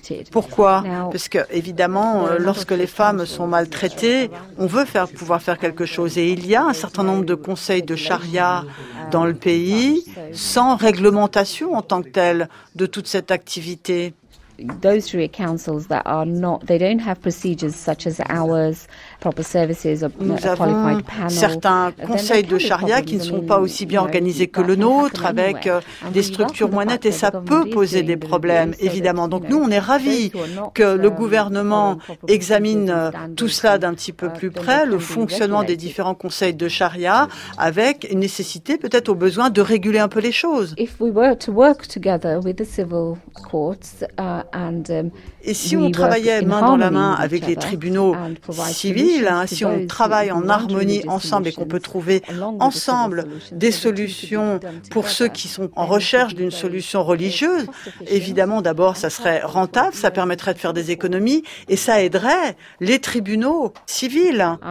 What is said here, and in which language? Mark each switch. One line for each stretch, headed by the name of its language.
French: Pourquoi? Parce que évidemment, lorsque les femmes sont maltraitées, on veut pouvoir faire quelque chose. Et il y a un certain nombre de conseils de charia dans le pays, sans réglementation en tant que telle de toute cette activité.
English: Those Sharia councils that are not, they don't have procedures such as ours, proper services, a qualified panel.
French: Nous avons certains conseils de charia qui ne sont pas aussi bien organisés que le nôtre, avec des structures moins nettes, et ça peut poser des problèmes, évidemment. Donc nous, on est ravis que le gouvernement examine tout cela d'un petit peu plus près, le fonctionnement des différents conseils de charia, avec une nécessité, peut-être au besoin, de réguler un peu les choses.
English: If we were to work together with the civil courts, and,
French: et si on travaillait main dans la main avec les tribunaux civils, hein, si on travaille en harmonie ensemble et qu'on peut trouver ensemble des solutions pour ceux qui sont en recherche d'une solution religieuse, évidemment, d'abord, ça serait rentable, ça permettrait de faire des économies et ça aiderait les tribunaux civils.